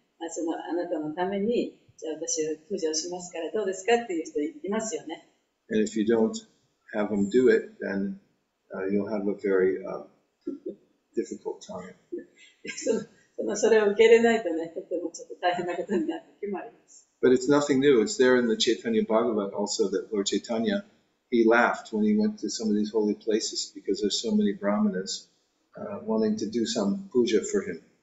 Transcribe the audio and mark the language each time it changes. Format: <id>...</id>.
<ja>そのあなたのためにじゃあ私は苦情しますからどうですかっていう人いますよね。</ja> <en>And if you don't have them do it, then you'll have a very difficult time.</en> <ja>それを受け入れないとね、とてもちょっと大変なことになる時もあります。</ja> <en>But it's nothing new. It's there in the Chaitanya Bhagavat also that Lord Chaitanya, he laughed when he went to some of these holy places because there's so many brahmanas wanting to do some puja for him.</en>